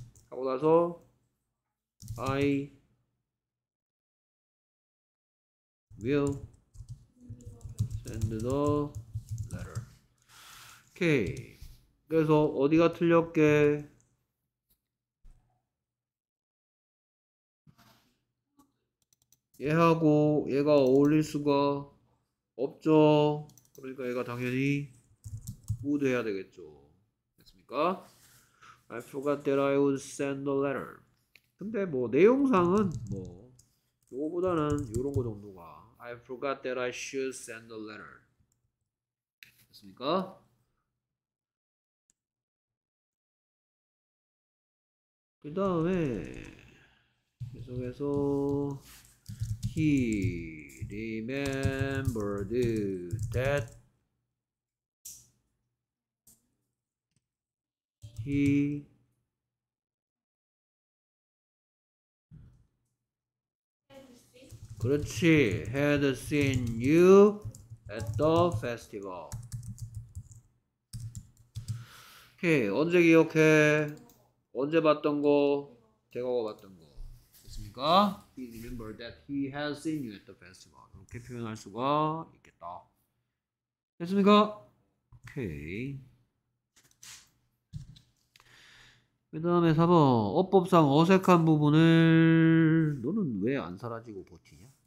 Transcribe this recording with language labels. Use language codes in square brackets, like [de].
[ko] 하고 나서 [en] I will send the letter. [ko] 오케이. 그래서 어디가 틀렸게? 얘하고 얘가 어울릴 수가 없죠. 그러니까 얘가 당연히 would 해야 되겠죠. 됐습니까? [en] I forgot that I would send a letter. [ko] 근데 뭐 내용상은 뭐 요거보다는 요런 거 정도가 [en] I forgot that I should send a letter. [ko] 됐습니까? 그 다음에 계속해서 [en] He remembered that He had seen you at the festival. [ko] Okay, 언제 기억해? 언제 봤던 거? 대거가 봤던 거. 됐습니까? [en] He remembered that he has seen you at the festival. [ko] 이렇게 표현할 수가 있겠다. 됐습니까? Okay. 그 다음에 4번. 어법상 어색한 부분을 너는 왜 안 사라지고 버티냐?